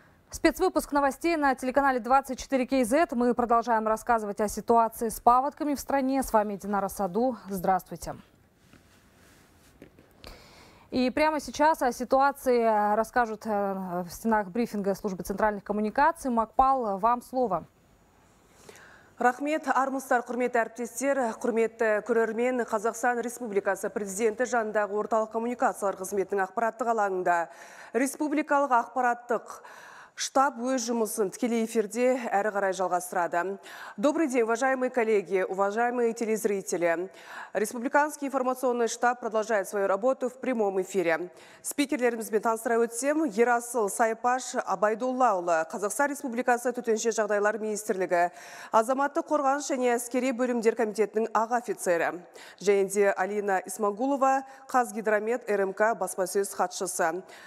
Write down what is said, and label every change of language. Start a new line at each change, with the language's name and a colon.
Russian: Спецвыпуск новостей на телеканале 24KZ. Мы продолжаем рассказывать о ситуации с паводками в стране. С вами Динара Саду. Здравствуйте. И прямо сейчас о ситуации расскажут в стенах брифинга службы центральных коммуникаций. Макпал, вам слово.
Kazakh: Рахмет, армыстар, құрметті әріптестер, құрметті көрермен, Қазақстан Республикасы президенті жанындағы орталық коммуникациялар қызметінің ақпараттық алаңында. Республикалық ақпараттық штаб өз жұмысын тікелей эфирде әрі қарай жалғастырады.
Russian: Добрый день, уважаемые коллеги, уважаемые телезрители. Республиканский информационный штаб продолжает свою работу в прямом эфире.
Kazakh: Спикерлерімізбен таныстыра өтсем, Ерасыл Сайпаш Абайдуллаұлы, Қазақстан Республикасы төтенше жағдайлар министрлігі, Азаматты қорғаныс және әскери бөлімдер комитетінің аға офицері, және де Алина Исмагулова, Қазгидромет РМК баспасөз хатшысы.